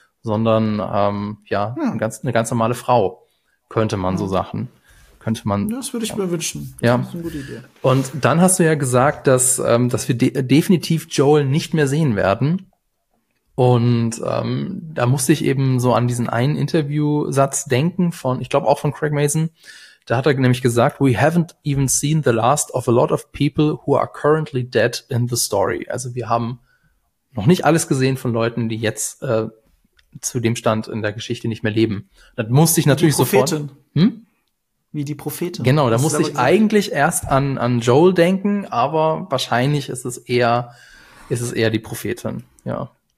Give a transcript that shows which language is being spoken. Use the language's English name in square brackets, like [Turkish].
[German] sondern eine ganz normale Frau, könnte man so sagen. Könnte man. Das würde ich mir wünschen. Ja. Das ist eine gute Idee. Und dann hast du ja gesagt, dass wir definitiv Joel nicht mehr sehen werden. Und da musste ich eben so an diesen einen Interviewsatz denken von, ich glaube auch von Craig Mazin. Da hat er nämlich gesagt, [English] we haven't even seen the last of a lot of people who are currently dead in the story. [German] Also wir haben noch nicht alles gesehen von Leuten, die jetzt zu dem Stand in der Geschichte nicht mehr leben. Das musste ich natürlich sofort. Wie die Propheten. Genau, da musste ich eigentlich erst an Joel denken, aber wahrscheinlich ist es eher die Prophetin, ja.